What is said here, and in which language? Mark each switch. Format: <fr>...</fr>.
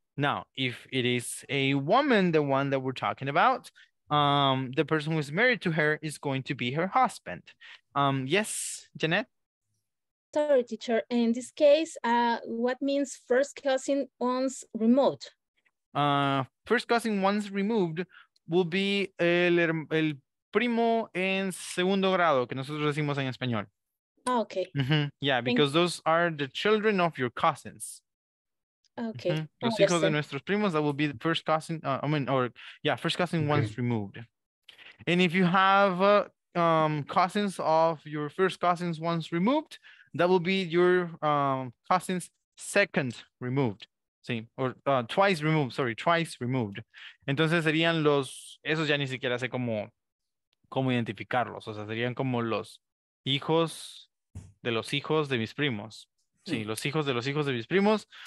<en>Now, if it is a woman, the one that we're talking about, the person who is married to her is going to be her husband. Yes, Jeanette? Sorry, teacher. In this case, what means first cousin once removed? First cousin once removed will be el</en> <es>primo en segundo grado, que nosotros decimos en español.</es> <en>Okay. Mm-hmm. Yeah, because those are the children of your cousins. Okay. Mm-hmm.</en> <es>Los hijos de nuestros primos,</es> <en>that will be the first cousin, first cousin once removed. And if you have cousins of your first cousins once removed, that will be your cousins second removed. Sí, or twice removed, sorry, twice removed.</en> <es>Entonces serían los, esos ya ni siquiera sé cómo identificarlos. O sea, serían como los hijos de los hijos de mis primos. Sí, los hijos de los hijos de mis primos.</es>